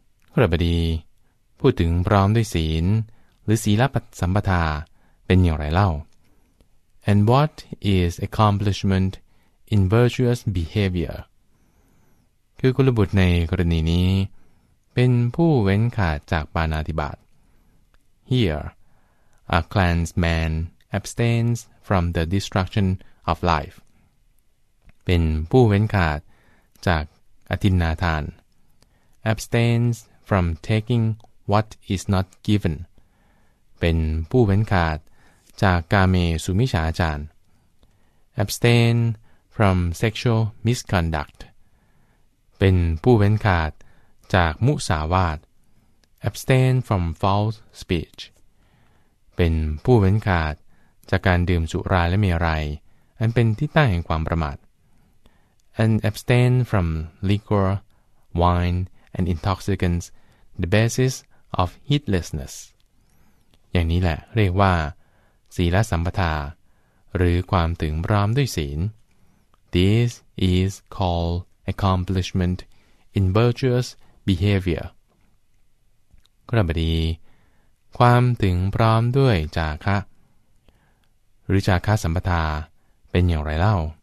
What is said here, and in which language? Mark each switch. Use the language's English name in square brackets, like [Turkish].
[Thai] ข้อระบดีผู้ถึงพร้อมด้วยศีลหรือศีลสัมปทาเป็นอย่างไรเล่า [English] And what is accomplishment in virtuous behavior? [Thai] คือกุลบุตรในกรณีนี้เป็นผู้เว้นขาดจากปาณาติบาต [English] Here, a clansman abstains from the destruction of life. [Thai] เป็นผู้เว้นขาดจากอทินนาทาน [English] abstains from taking what is not given. [Thai] เป็นผู้เว้นขาดจากกาเมสุมิชฌาจาร [English] abstain from sexual misconduct. [Thai] เป็นผู้เว้นขาดจากมุสาวาท [English] abstain from false speech [Thai] เป็นผู้เว้นขาดจากการดื่มสุราและเมรัยอันเป็นที่ตั้งแห่งความประมาท [English] and abstain from liquor wine and intoxicants the basis of heedlessness [Thai] อย่างนี้แหละเรียกว่าศีลสัมปทาหรือความถึงพร้อมด้วยศีล [English] this is called accomplishment in virtuous behavior [Thai] กระบดีความถึงพร้อมด้วยจาคะหรือจาคะสัมปทาเป็นอย่างไรเล่า